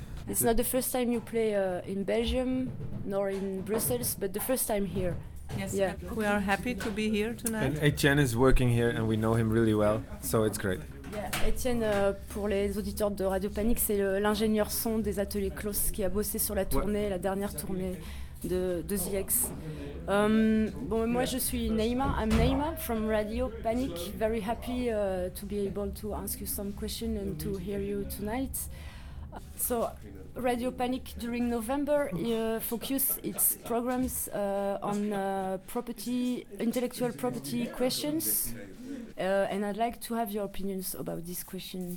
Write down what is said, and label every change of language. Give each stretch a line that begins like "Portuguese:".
English: It's not the first time you play in Belgium, nor in Brussels, but the first time here. Yes, yeah. We are happy to be here tonight. And Etienne is working here and we know him really well, so it's great.
French: Yeah, Etienne, pour les auditeurs de Radio Panique, c'est l'ingénieur son des ateliers Klaus qui a bossé sur la tournée, la dernière tournée de ZX. Bon, moi je suis Naïma,
English: I'm Naïma from Radio Panique. Very happy to be able to ask you some questions and to hear you tonight. So, Radio Panique during November focus its programs on intellectual property questions, and I'd like to have your opinions about this question.